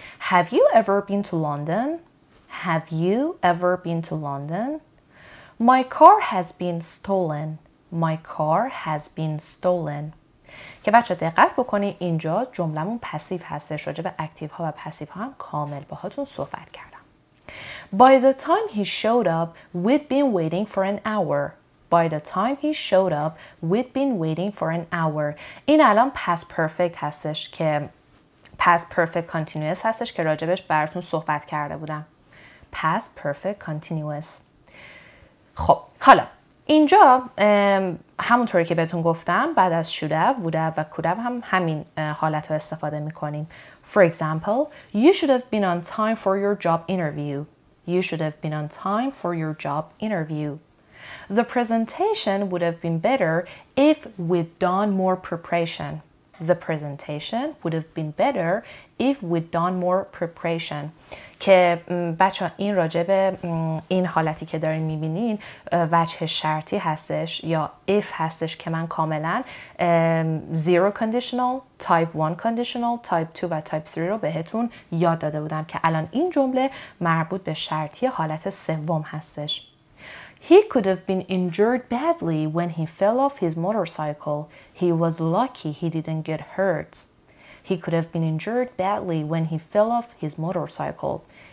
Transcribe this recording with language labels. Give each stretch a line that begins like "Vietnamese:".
English: Have you ever been to London? Have you ever been to London? My car has been stolen. My car has been stolen.
Persian: که بچه دقت بکنین اینجا جملمون پسیو هستش. راجع به اکتیو ها و پسیو ها هم کامل با هاتون صحبت کرد.
English: By the time he showed up, we'd been waiting for an hour. By the time he showed up, we'd been waiting for an hour.
Persian: این الان past perfect هستش که past perfect continuous هستش که راجبش براتون صحبت کرده بودم. Past perfect continuous. خب حالا اینجا همونطوری که بهتون گفتم بعد از should have, would have و could have هم همین حالت رو استفاده میکنیم.
English: For example, you should have been on time for your job interview. You should have been on time for your job interview. The presentation would have been better if we'd done more preparation. The presentation would have been better if we'd done more preparation.
Persian: که بچه این راجبه این حالتی که دارین میبینین وجه شرطی هستش یا if هستش که من کاملا zero conditional, type 1 conditional, type 2 و type 3 رو بهتون یاد داده بودم که الان این جمله مربوط به شرطی حالت سوم هستش.
English: He could have been injured badly when he fell off his motorcycle. He was lucky he didn't get hurt. He could have been injured badly when he fell off his motorcycle.